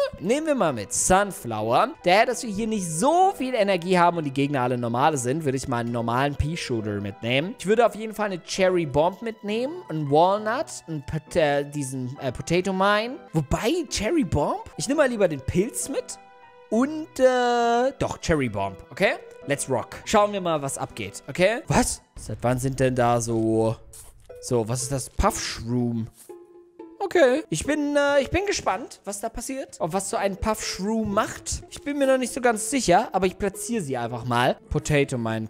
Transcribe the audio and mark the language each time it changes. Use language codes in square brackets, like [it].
[de] Nehmen wir mal mit Sunflower. Daher, dass wir hier nicht so viel Energie haben und die Gegner alle normale sind, würde ich mal einen normalen Pea-Shooter mitnehmen. Ich würde auf jeden Fall eine Cherry Bomb mitnehmen, einen Walnut, diesen Potato Mine. Wobei, Cherry Bomb? Ich nehme mal lieber den Pilz mit. Und, doch, Cherry Bomb, okay? [en] Let's rock. [de] Schauen wir mal, was abgeht, okay? Was? Seit wann sind denn da so... So, was ist das? Puff Shroom. Okay. Ich bin gespannt, was da passiert. Und was so ein Puff Shroom macht. Ich bin mir noch nicht so ganz sicher, aber ich platziere sie einfach mal. Potato Mine.